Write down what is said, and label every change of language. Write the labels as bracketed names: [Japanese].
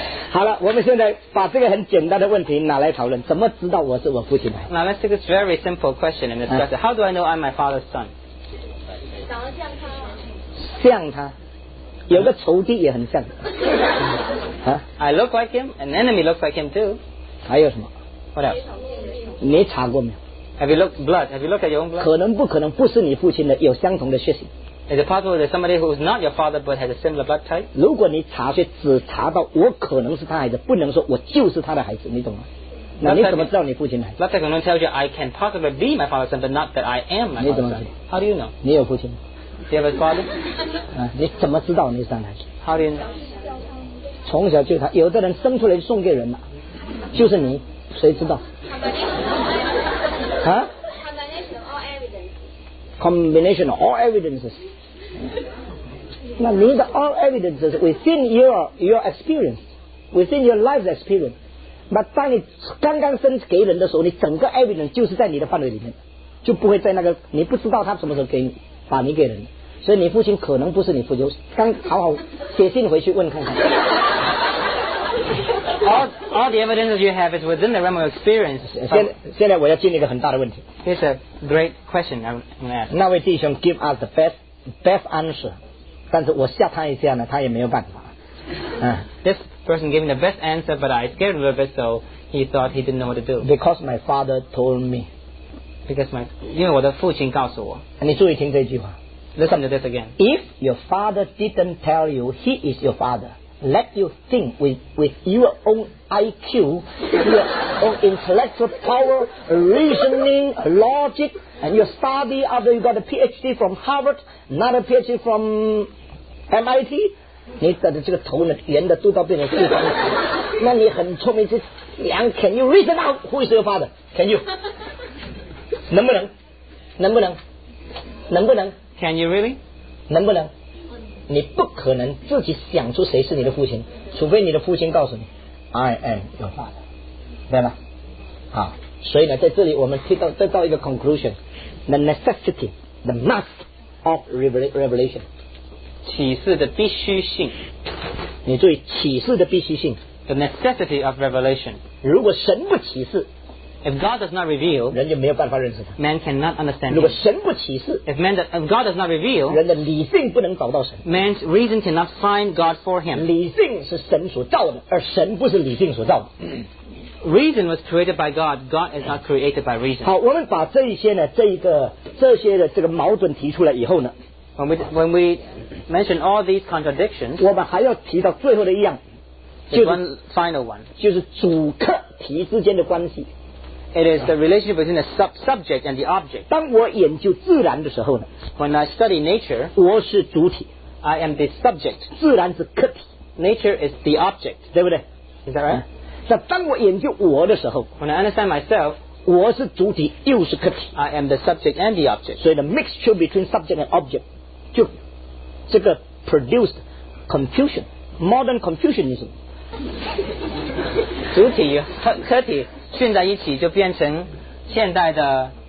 [Chinese] 好了，我们现在把这个很简单的问题拿来讨论，怎么知道我是我父亲呢？ [English] Now let's take this very simple question and discuss it. How do I know I'm my father's son? [Chinese] 长得像他吗？像他，有个仇敌也很像。 [English] I look like him, an enemy looks like him too. [Chinese] 还有什么？ [English] What else? [Chinese] 你查过没有？ [English] Have you looked blood? Have you looked at your own blood? [Chinese] 可能不可能不是你父亲的有相同的血型。 [English] Is it possible that somebody who is not your father but has a similar blood type? [Chinese] 如果你查血只查到我可能是他孩子，不能说我就是他的孩子，你懂吗？那你怎么知道你父亲的孩子？ [English] Blood type [Chinese] 可能 [English] tells you I can possibly be my father's son, but not that I am my father's son. [Chinese] 你怎么知道？ [English] How do you know? [Chinese] 你有父亲吗？ [English] Do you have a father? [Chinese] 你怎么知道你是他的孩子？ [English] How do you know? [Chinese] 从小就他，有的人生出来就送给人了，就是你，谁知道？ [English] Huh? Combination of all evidences. Combination of all evidences. That means all evidences within your experience, within your life's experience. But [Chinese] 当你刚刚生给人的时候，你整个 evidence 就是在你的范围里面，就不会在那个你不知道他什么时候给你把你给人。所以你父亲可能不是你父亲。刚好好写信回去问看看。 [English] All the evidence that you have is within the realm of experience. [Chinese] 现在我要进一个很大的问题。 [English] Here's a great question I'm going to ask. [Chinese] 那位弟兄 [English] give us the best answer. [Chinese] 但是我吓他一下呢，他也没有办法。 [English] This person gave me the best answer, but I scared a little bit, so he thought he didn't know what to do. Because my father told me. Because my [Chinese] 因为我的父亲告诉我。你注意听这句话。 [English] Listen to this again. If your father didn't tell you he is your father,let you think with your own IQ, your own intellectual power, reasoning, logic, and your study after you got a PhD from Harvard, not a PhD from MIT, [Chinese] 你的这个头呢圆的嘟到变成四方形，那你很聪明，这娘 [English] can you reason out who is your father? Can you? [Chinese] 能不能？能不能？能不能 [English] ？Can you really? [Chinese] 能不能？你不可能自己想出谁是你的父亲，除非你的父亲告诉你 [English] I am your father, [Chinese] 对吗？好，所以呢在这里我们得到一个 conclusion, [English] the necessity, the must of revelation, [Chinese] 启示的必须性。你注意启示的必须性， [English] the necessity of revelation. [Chinese] 如果神不启示， [English] if God does not reveal, [Chinese] 人就没有办法认识他， [English] man cannot understand him. [Chinese] 如果神不启示， [English] if God does not reveal, [Chinese] 人的理性不能找到神， [English] man's reason cannot find God for him. [Chinese] 理性是神所造的，而神不是理性所造的。 [English] Reason was created by God. God is not created by reason. [Chinese] 好，我们把这一些呢，这些的这个矛盾提出来以后呢， [English] when we mention all these contradictions, [Chinese] 我们还要提到最后的一样，就是 [English] one final one, [Chinese] 就是主客体之间的关系。 [English] It is the relationship between the subject and the object. [Chinese] 当我研究自然的时候呢， [English] when I study nature, [Chinese] 我是主体， [English] I am the subject. [Chinese] 自然是客体， [English] nature is the object, [Chinese] 对不对？ [English] Is that right? [Chinese] 那当我研究我的时候， [English] when I understand myself, [Chinese] 我是主体又是客体， [English] I am the subject and the object. [Chinese] 所以 [English] the mixture between subject and object [Chinese] 就这个 [English] produced confusion, modern confucianism. [Chinese] 主体客体训在一起就变成现代的